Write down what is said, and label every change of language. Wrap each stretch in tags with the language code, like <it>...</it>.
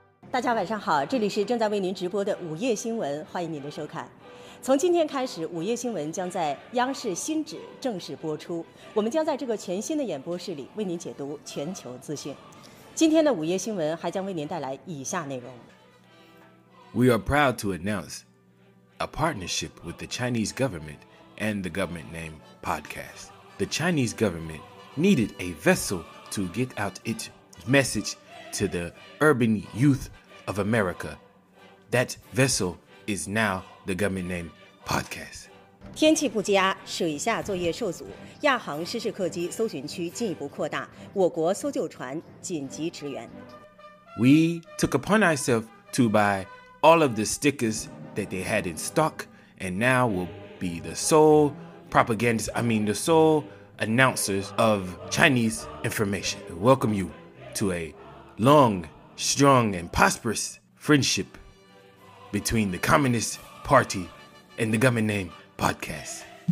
<zh>大家晚上好，这里是正在为您直播的午夜新闻，欢迎您的收看。从今天开始，午夜新闻将在央视新址正式播出，我们将在这个全新的演播室里为您解读全球资讯。今天的午夜新闻还将为您带来以下内容。</zh> <en>We are proud to announce a partnership with the Chinese government and the government name podcast. The Chinese government needed a vessel to get out its message to the urban youth of America. That vessel is now the government name podcast.</en> <zh>天气不佳，水下作业受阻，亚航失事客机搜寻区进一步扩大，我国搜救船紧急驰援。</zh> <en>We took upon ourselves to buy all of the stickers that they had in stock, and now will be the sole propagandists, the sole announcers of Chinese information. Welcome you to a long, strong, and prosperous friendship between the Communist Party and the government name podcast.</en>